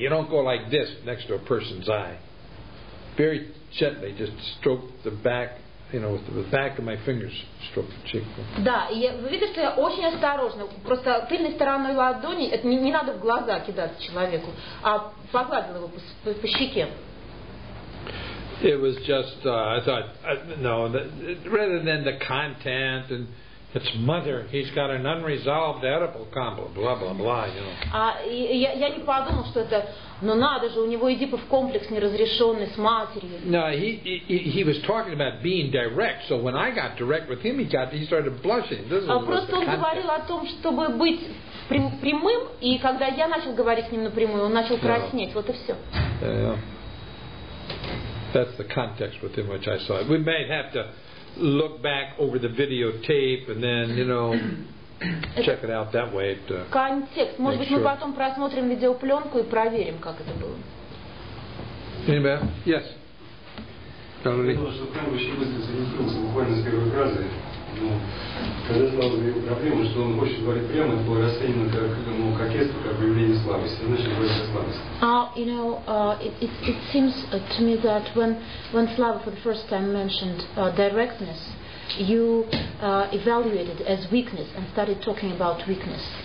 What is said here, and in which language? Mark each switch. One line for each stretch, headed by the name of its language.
English: You don't go like this next to a person's eye. Very gently, just stroke the back, you know, with the back of my fingers, stroke the cheek.
Russian: Да, вы видите, что я очень осторожно. Просто тыльной стороной ладони, это не надо в глаза кидаться человеку, а погладил его по щеке.
English: It was just, I thought, no, rather than the content and it's mother. He's got an unresolved Oedipal complex. Blah blah blah. You know.
Russian: Я не подумал, что это. Но надо же, у него Эдипов комплекс неразрешенный с матерью.
English: No, he was talking about being direct. So when I got direct with him, he started blushing. This is.
Russian: А просто он говорил о том, чтобы быть прямым, и когда я начал говорить с ним напрямую, он начал краснеть. Вот и все.
English: That's the context with him, which I saw. We may have to look back over the videotape and then, you know, check it out that way.
Russian: Контекст. Может быть, мы потом просмотрим видеопленку и проверим, как это было.
English: Anybody? Yes. Totally.
Russian: Я думал, что прям очень быстро заинтересовался буквально с первой фразы. Когда сразу его проблема, что он хочет говорить прямо, это было расценено как кокетство, как проявление слабости. Значит, говорить о слабости.
English: You know, it seems to me that when Slava for the first time mentioned directness, you evaluated as weakness and started talking about weakness.